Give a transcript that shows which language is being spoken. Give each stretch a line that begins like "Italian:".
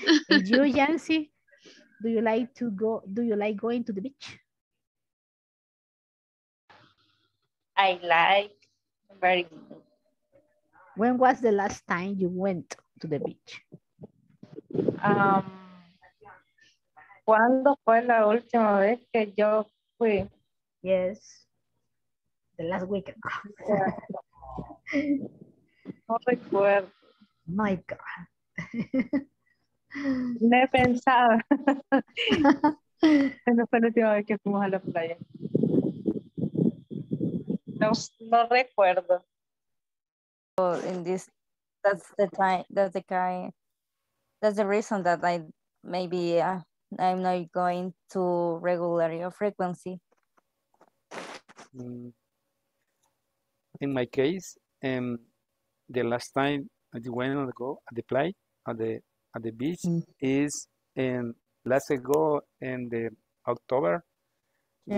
English: Did you, Yancy? Do you like going to the beach? I like very much. When was the last time you went to the beach?
Spanish: ¿Cuándo fue la última vez que yo fui?
English: Yes. The last weekend.
Spanish: No recuerdo.
English: My God.
Spanish: No he pensado. No fue la última vez que fuimos a la playa. No, no recuerdo.
English: Oh, in this, that's the time, that's the kind, that's the reason that I maybe I'm not going to regular your frequency. In my case, the last time I went ago at the play at the beach is last ago in the October, yes.